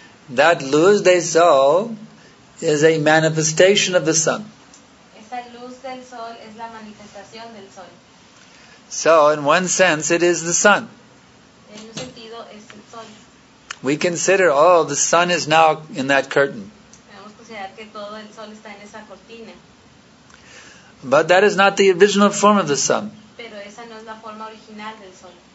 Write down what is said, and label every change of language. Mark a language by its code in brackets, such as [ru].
[en] That [es] luz de sol [en] is a manifestation of the sun. [es] Esa luz del sol es la manifestación del sol. [en] So, in one sense, it is the sun. [es] En un sentido, es el sol. [en] We consider, oh, the sun is now in that curtain. [es] Debemos considerar que todo el sol está en esa cortina. [en] But that is not the original form of the sun. [es] Pero esa no es la forma original del sol.